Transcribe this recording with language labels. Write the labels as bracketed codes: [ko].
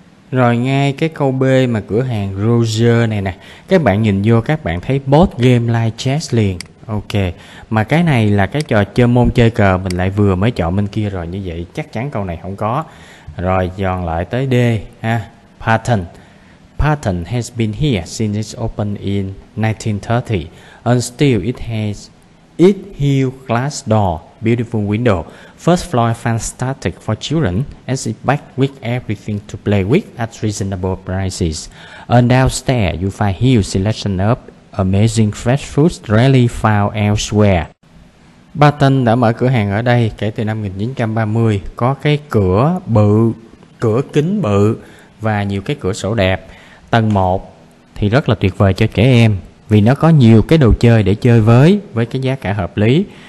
[vi] Rồi ngay cái câu B mà cửa hàng Roger này nè. Các bạn nhìn vô các bạn thấy [en] board game like chess [vi] liền. Ok, mà cái này là cái trò chơi môn chơi cờ mình lại vừa mới chọn bên kia rồi, như vậy chắc chắn câu này không có. Rồi dọn lại tới D ha. Pattern. [en] Pattern has been here since it opened in 1930. And still it has it huge glass door, beautiful window, first floor fantastic for children as it packed with everything to play with at reasonable prices. And downstairs you find huge selection of amazing fresh foods rarely found elsewhere. [vi] Barton đã mở cửa hàng ở đây kể từ năm 1930, có cái cửa bự, cửa kính bự và nhiều cái cửa sổ đẹp. Tầng 1 thì rất là tuyệt vời cho trẻ em, vì nó có nhiều cái đồ chơi để chơi với cái giá cả hợp lý.